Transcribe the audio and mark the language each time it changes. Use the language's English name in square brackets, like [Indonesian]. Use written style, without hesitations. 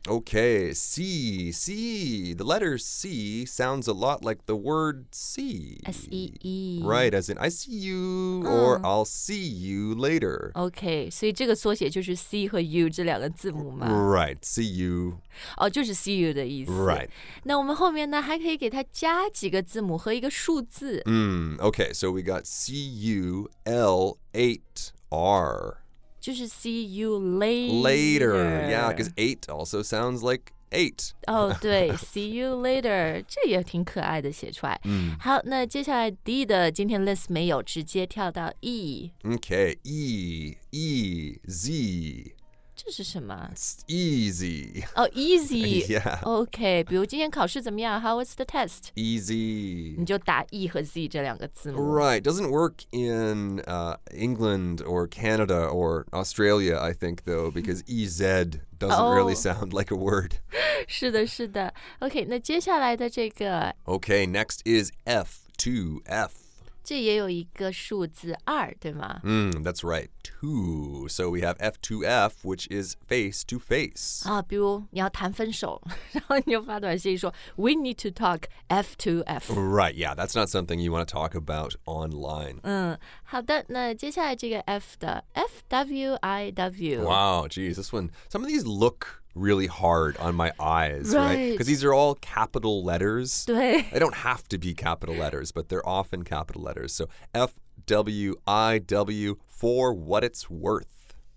[English] Okay, C, C, the letter C sounds a lot like the word see. S-E-E. Right, as in I see you or I'll see you later. [Chinese] Okay, 所以这个缩写就是 C 和 U 这两个字母吗？ [English] Right, see you. [Chinese] 就是 see you 的意思。 [English] Right. [Chinese] 那我们后面呢还可以给它加几个字母和一个数字。 [English] Okay, so we got C-U-L-8-R. [Chinese] 就是 see you later. [English] Later, yeah, because eight also sounds like eight. [Chinese] 对 ,see you later, 这也挺可爱的写出来。好，那接下来 D 的今天 list 没有，直接跳到 E. [English] Okay, E, E, Z. [Chinese] 这是什么 [English] ?It's easy. Easy. Yeah. [Chinese] Okay, 比如今天考试怎么样 ? [English] How was the test? Easy. [Chinese] 你就打 E 和 Z 这两个字母。 [English] Right, doesn't work in England or Canada or Australia, I think, though, because EZ doesn't really sound like a word. [Chinese] 是的是的。 Okay, 那接下来的这个。 [English] Okay, next is F, 2F. [Chinese] 这也有一个数字二，对吗？ [English] That's right, two. So we have F2F, which is face to face. [Chinese] 啊，比如你要谈分手，然后你就发短信说 [English] We need to talk F2F. Right, yeah, that's not something you want to talk about online. [Chinese] 好的，那接下来这个 F 的 FWIW. [English] Wow, geez, this one, some of these look... really hard on my eyes, right? Because these are all capital letters. They don't have to be capital letters, but they're often capital letters. So FWIW, for what it's worth.